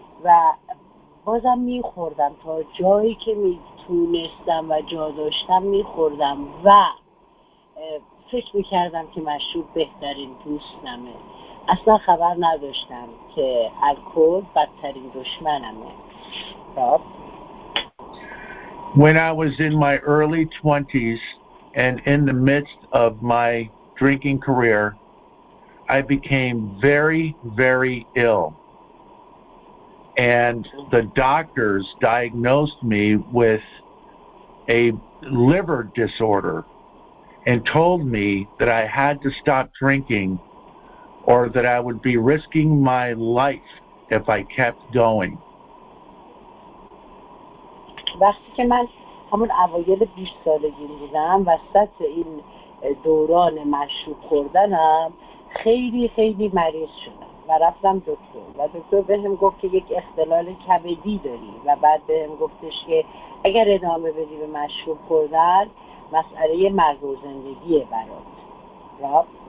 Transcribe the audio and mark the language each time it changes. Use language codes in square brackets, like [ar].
[fa] و بازم میخوردم تا جایی که میتونستم و جا داشتم میخوردم، و فکر میکردم که مشروب بهترین دوستمه. اصلا خبر نداشتم که الکل بدترین دشمنمه. [en] When I was in my early 20s and in the midst of my drinking career, I became very, very ill. And the doctors diagnosed me with a liver disorder and told me that I had to stop drinking or that I would be risking my life if I kept going. [fa] وقتی که من همون اوایل 20 سالگی بودم وسط این دوران مشروب خوردنم، خیلی خیلی مریض شدم و رفتم دکتر و دکتر بهم گفت که یک اختلال کبدی داری و بعد بهم گفتش که اگر ادامه بدی به مشروب خوردن مسئله مرگ و زندگیه برات.